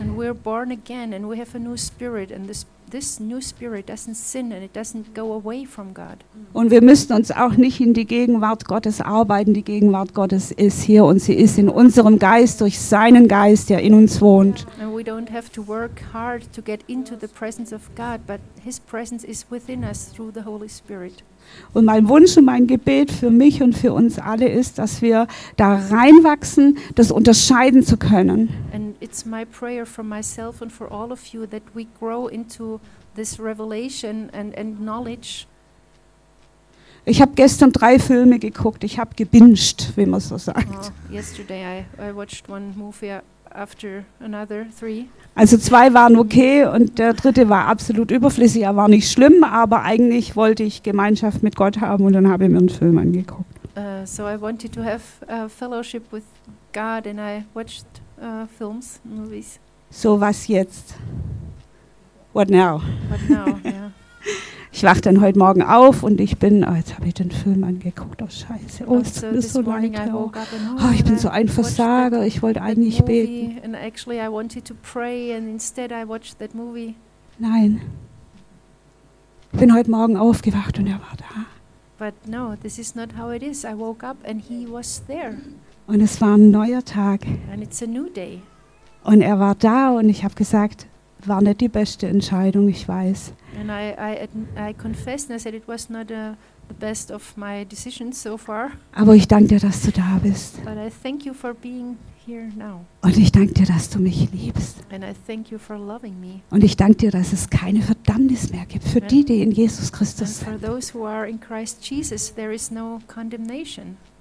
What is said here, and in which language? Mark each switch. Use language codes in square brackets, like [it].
[en] And we're born again and we have a new spirit and this new spirit doesn't sin and it doesn't go away from God. [de] Und wir müssen uns auch nicht in die Gegenwart Gottes arbeiten, die Gegenwart Gottes ist hier und sie ist in unserem Geist durch seinen Geist, der in uns wohnt. [en] And we don't have to work hard to get into the presence of God, but his presence is within us through the Holy Spirit. [de] Und mein Wunsch und mein Gebet für mich und für uns alle ist, dass wir da reinwachsen, das unterscheiden zu können. [en] And it's my prayer for myself and for all of you that we grow into this revelation and knowledge. [de] Ich habe gestern 3 Filme geguckt, ich habe gebinged, wie man so sagt. [en] Yesterday I watched one movie after another 3. [de] Also 2 waren okay und der 3. war absolut überflüssig. Er war nicht schlimm, aber eigentlich wollte ich Gemeinschaft mit Gott haben und dann habe ich mir einen Film angeguckt. [en] So I wanted to have a fellowship with God and I watched films, movies. [de] So was jetzt? [en] What now? Yeah. [de] Ich wache dann heute Morgen auf und ich bin, jetzt habe ich den Film angeguckt, oh Scheiße. Oh, es tut mir so leid. Oh, ich bin so ein Versager, ich wollte eigentlich beten. [en] And actually I wanted to pray and instead I watched that movie. [de] Nein. Bin heute Morgen aufgewacht und er war da. [en] But no, this is not how it is. I woke up and he was there. [de] Und es war ein neuer Tag. [en] And it's a new day. [de] Und er war da und ich habe gesagt, war nicht die beste Entscheidung, ich weiß. [en] And I confessed and I said it was not the best of my decisions so far. [de] Aber ich danke dir, dass du da bist. [en] But I thank you for being here now. [de] Und ich danke dir, dass du mich liebst. [en] And I thank you for loving me. [de] Und ich danke dir, dass es keine Verdammnis mehr gibt für die, die in Jesus Christus sind. [en] For those who are in Christ Jesus, there is no condemnation.